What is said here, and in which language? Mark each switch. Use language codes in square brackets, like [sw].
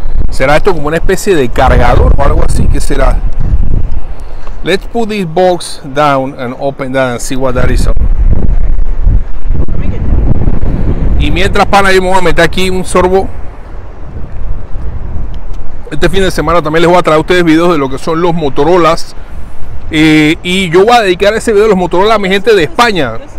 [es] ¿Será esto como una especie de cargador o algo así? ¿Qué será? [en] Let's put this box down and open that and see what that is. [es] Y mientras, pana, yo me voy a meter aquí un sorbo. Este fin de semana también les voy a traer a ustedes videos de lo que son los Motorolas. Y yo voy a dedicar ese video de los Motorola a mi gente de España.